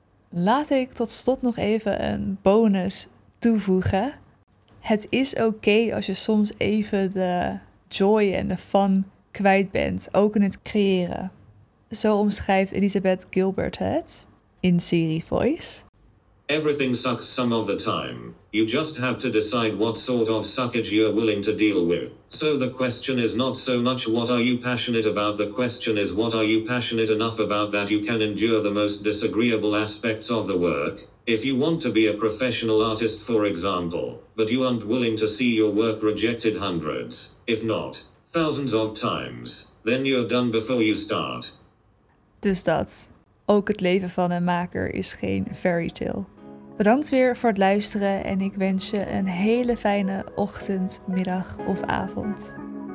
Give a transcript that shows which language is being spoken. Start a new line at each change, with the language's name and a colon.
Dutch: Laat ik tot slot nog even een bonus toevoegen. Het is oké als je soms even de joy en de fun kwijt bent, ook in het creëren. Zo omschrijft Elizabeth Gilbert het. In Siri Voice.
English: Everything sucks some of the time. You just have to decide what sort of suckage you're willing to deal with. So the question is not so much what are you passionate about, the question is what are you passionate enough about that you can endure the most disagreeable aspects of the work. If you want to be a professional artist, for example, but you aren't willing to see your work rejected hundreds, if not thousands of times, then you're done before you start.
Dutch: Dus dat. Ook het leven van een maker is geen fairy tale. Bedankt weer voor het luisteren en ik wens je een hele fijne ochtend, middag of avond.